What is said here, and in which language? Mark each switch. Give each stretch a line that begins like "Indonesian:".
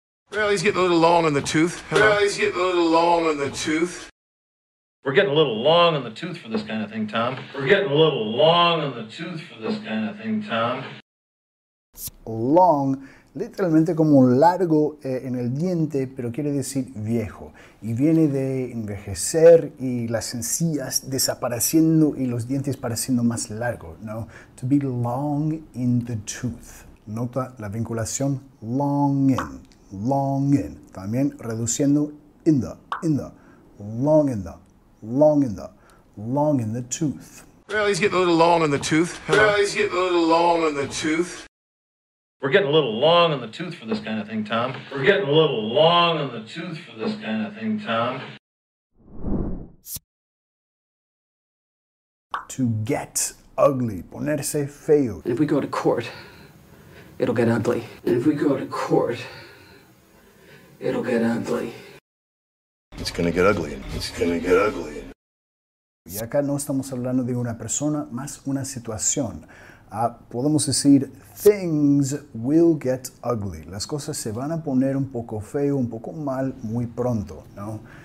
English: Well, he's getting a little long in the tooth. Hello. Well, he's getting a little long in the tooth. We're getting a little long in the tooth for this kind of thing, Tom. We're getting a little long in the tooth for this kind of thing, Tom. Long.
Spanish: Literalmente como largo en el diente, pero quiere decir viejo. Y viene de envejecer y las encías desapareciendo y los dientes pareciendo más largo, ¿no?
English: To be long in the tooth.
Spanish: Nota la vinculación
English: long in. Long in.
Spanish: También reduciendo
English: in the. In the. Long in the. Long in the. Long in the tooth. Well, he's getting a little long in the tooth. Hello. Well, he's getting a little long in the tooth. We're getting a little long in the tooth for this kind of thing, Tom. We're getting a little long in the tooth for this kind of thing, Tom. To get ugly.
Spanish: Ponerse feo.
English: And if we go to court, it'll get ugly. And if we go to court, it'll get ugly. It's gonna get ugly. It's gonna get ugly.
Spanish: Y acá no estamos hablando de una persona, más una situación. Podemos decir,
English: things will get ugly.
Spanish: Las cosas se van a poner un poco feo, un poco mal, muy pronto, ¿no?